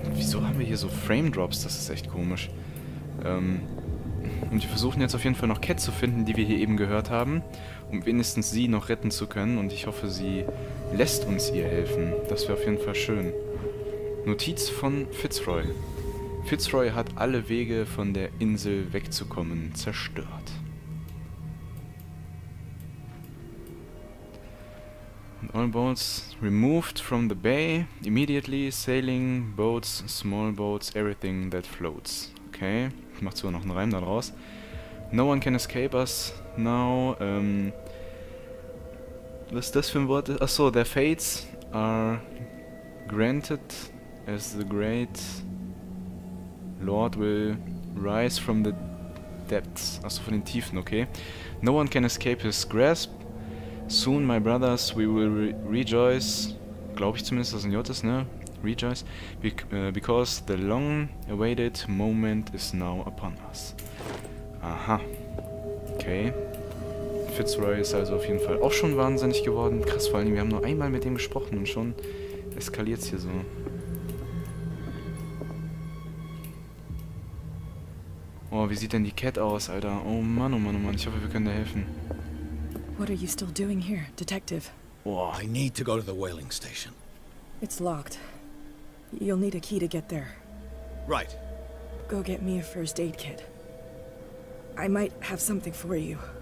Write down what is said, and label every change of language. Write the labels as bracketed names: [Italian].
[German] Wieso haben wir hier so Frame Drops? Das ist echt komisch. Und wir versuchen jetzt auf jeden Fall noch Cat zu finden, die wir hier eben gehört haben, um wenigstens sie noch retten zu können. Und ich hoffe, sie lässt uns ihr helfen. Das wäre auf jeden Fall schön. Notiz von Fitzroy. Fitzroy hat alle Wege, von der Insel wegzukommen, zerstört. [English] And all boats removed from the bay. Immediately sailing, boats, small boats, everything that floats. Okay. [German] Ich mach sogar noch einen Reim da draus. [English] No one can escape us now. [German] Was ist das für ein Wort? [English] Achso, their fates are granted as the great Lord will rise from the depths. [German] Achso, von den Tiefen, okay. [English] No one can escape his grasp. Soon, my brothers, we will rejoice. [German] Glaube ich zumindest, dass ein J ist, ne? [English] Rejoice, because the long-awaited moment is now upon us. [German] Aha. Okay. Fitzroy ist also auf jeden Fall auch schon wahnsinnig geworden. Krass, vor allem, wir haben nur einmal mit dem gesprochen und schon eskaliert es hier so. Oh, wie sieht denn die Cat aus, Alter? Oh Mann, oh Mann, oh Mann. Ich hoffe, wir können dir helfen. [English] What are you still doing here, Detective? Oh, I need to go to the whaling station. It's locked. You'll need a key to get there. Right. Go get me a first aid kit. I might have something for you.